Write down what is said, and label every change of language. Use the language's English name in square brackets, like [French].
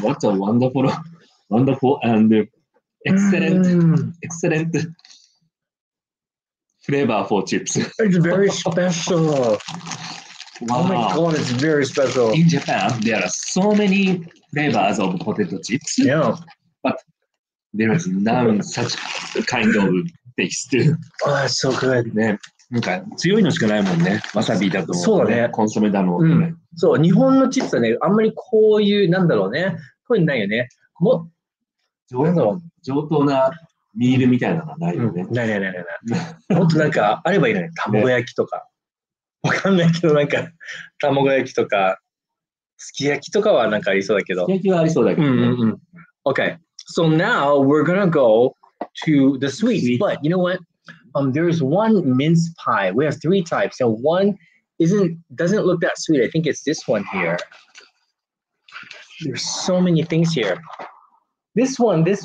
[English] What a wonderful and excellent flavor for chips. It's very special. Wow. Oh my god, it's very special. In Japan, there are so many flavors of potato chips. Yeah. But there is none such kind of taste. Oh, that's so good. [Japanese] ね。なんか強いのしかないもんね。わさびだと。そうだね。コンソメだの。そう、日本のチップスはね、あんまりこういう、なんだろうね。こういうのないよね。もっと上等なミールみたいなのがないよね。ないもっとなんかあればいいのに、卵焼きとか。わかんないけど、なんか卵焼きとか。すき焼きとかはなんかありそうだけど。すき焼きはありそうだけど、ね。 [English] Okay, so now we're gonna go to the sweets. But you know what? There's one mince pie. We have three types. So one doesn't look that sweet. I think it's this one here. There's so many things here. This one.